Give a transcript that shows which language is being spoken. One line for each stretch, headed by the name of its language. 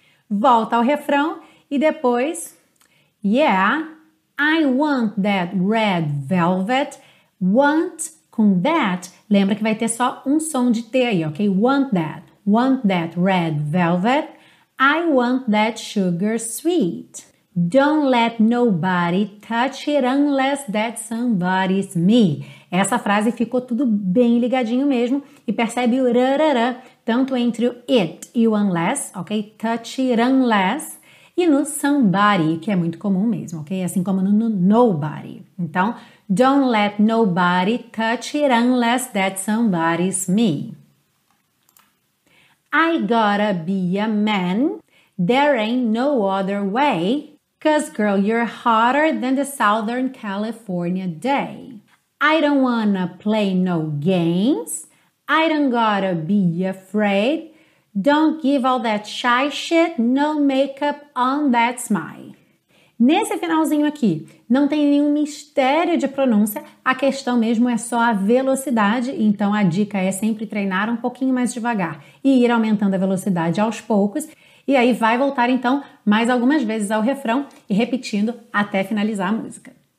Portuguese: Volta ao refrão e depois,
English: yeah, I want that red velvet,
Portuguese: want com that, lembra que vai ter só som de T aí, ok?
English: Want that red velvet, I want that sugar sweet. Don't let nobody touch it unless that somebody's me.
Portuguese: Essa frase ficou tudo bem ligadinho mesmo e percebe o rarará, tanto entre o it e o unless, ok?
English: Touch it unless.
Portuguese: E no somebody, que é muito comum mesmo, ok? Assim como no nobody.
English: Então, don't let nobody touch it unless that somebody's me. I gotta be a man. There ain't no other way. 'Cause girl, you're hotter than the Southern California day. I don't wanna play no games. I don't gotta be afraid. Don't give all that shy shit, no makeup on that smile.
Portuguese: Nesse finalzinho aqui, não tem nenhum mistério de pronúncia, a questão mesmo é só a velocidade, então a dica é sempre treinar um pouquinho mais devagar e ir aumentando a velocidade aos poucos, e aí vai voltar então mais algumas vezes ao refrão e repetindo até finalizar a música.